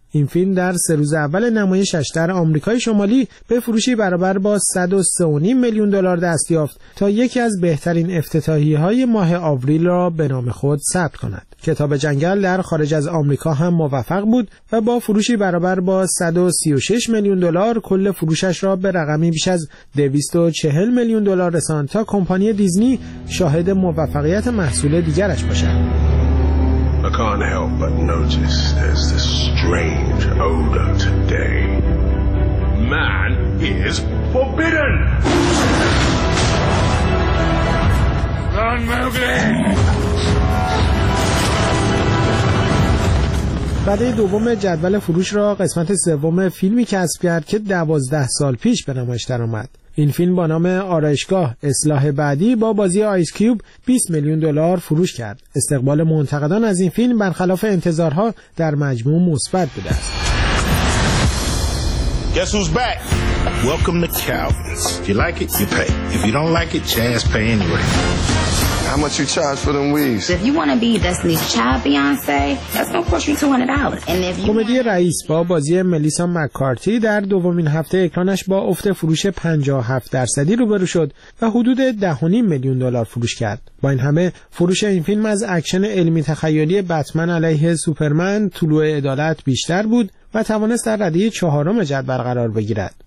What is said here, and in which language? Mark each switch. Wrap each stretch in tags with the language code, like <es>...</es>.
<fa>این فیلم در 3 روز اول نمایشش در آمریکای شمالی به فروشی برابر با 103.5 میلیون دلار دست یافت تا یکی از بهترین افتتاحیه‌های ماه آوریل را به نام خود ثبت کند. کتاب جنگل در خارج از آمریکا هم موفق بود و با فروشی برابر با 136 میلیون دلار کل فروشش را به رقمی بیش از 240 میلیون دلار رساند تا کمپانی دیزنی شاهد موفقیت محصول دیگرش باشد.</fa> <en>I can't help but notice there's this strange odor today. Man is forbidden! Run, Mowgli!</en> <fa>برای دوم جدول فروش را قسمت سوم فیلمی کسب کرد که 12 سال پیش به نمایش درآمد. این فیلم با نام آرایشگاه اصلاح بعدی با بازی آیس کیوب 20 میلیون دلار فروش کرد. استقبال منتقدان از این فیلم برخلاف انتظارها در مجموع مثبت بوده است.</fa> <en>Guess who's back? Welcome to Calvin's. If you like it, you pay. If you don't like it, Chaz pay anyway. How much you charge for them weaves? If you want to be Destiny's Child Beyonce, that's going to cost you $200. And if you</en> <fa>کمدی رئیس با بازی ملیسا مک‌کارتی در دومین هفته اکرانش با افت فروش 57% روبرو شد و حدود 10.5 میلیون دلار فروش کرد. با این همه فروش این فیلم از اکشن علمی تخیلی بتمن علیه سوپرمن طلوع عدالت بیشتر بود و توانست در رده 4 جدول قرار بگیرد.</fa>